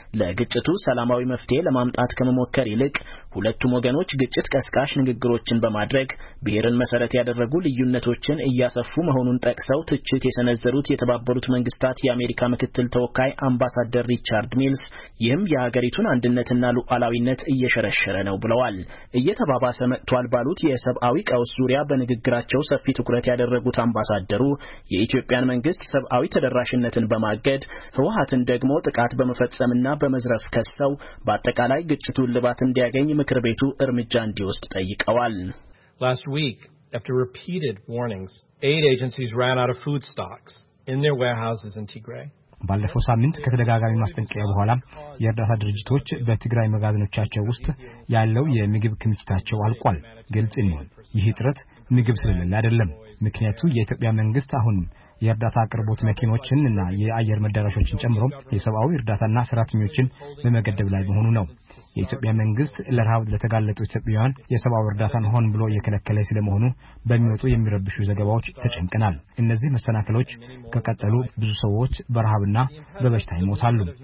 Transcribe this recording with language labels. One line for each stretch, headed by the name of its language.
Amharic: ለግጭቱ ሰላማዊ መፍትሄ ለማምጣት ከመሞከር ይልቅ ሁለቱም ወገኖች ግጭት ቀስቃሽ ንግግሮችን በማድረግ ብሔርን መሰረት ያደረጉ ልዩነቶችን እያሰፉ መሆኑን ጠቅሰው ትችት የሰነዘሩት የተባበሩት መንግስታት የአሜሪካ ምክትል ተወካይ አምባሳደር ሪቻርድ ሚልስ ይህም የሀገሪቱን አንድነትና ሉዓላዊነት እየሸረሸረ ነው ብለዋል። እየተባባሰ መጥቷል ባሉት የሰብአዊ ቀውስ ዙሪያ በንግግራቸው ሰፊ ትኩረት ያደረጉት አምባሳደሩ የኢትዮጵያን መንግስት ሰብአዊ ተደራሽነትን በማገድ ህወሓትን ደግሞ ጥቃት በመፈጸምና በመዝረፍ ከሰው በአጠቃላይ ግጭቱን ልባት እንዲያገኝ ምክር ቤቱ እርምጃ እንዲወስድ ጠይቀዋል።
English: Last week, after repeated warnings, aid agencies ran out of food stocks in their warehouses in Tigray.
Amharic: ባለፈው ሳምንት ከተደጋጋሚ ማስጠንቀቂያ በኋላ የእርዳታ ድርጅቶች በትግራይ መጋዘኖቻቸው ውስጥ ያለው የምግብ ክምችታቸው አልቋል። ግልጽ ነው ይህ ጥረት ምግብ ስለሌለ አይደለም። ምክንያቱ የኢትዮጵያ መንግስት አሁን የእርዳታ አቅርቦት መኪኖችን እና የአየር መዳረሻዎችን ጨምሮ የሰብአዊ እርዳታና ሰራተኞችን በመገደብ ላይ መሆኑ ነው። የኢትዮጵያ መንግስት ለረሃብ ለተጋለጡ ኢትዮጵያውያን የሰብአዊ እርዳታ ሆን ብሎ እየከለከለ ስለመሆኑ በሚወጡ የሚረብሹ ዘገባዎች ተጨንቀናል። እነዚህ መሰናክሎች ከቀጠሉ ብዙ ሰዎች በረሃብና በበሽታ ይሞታሉ።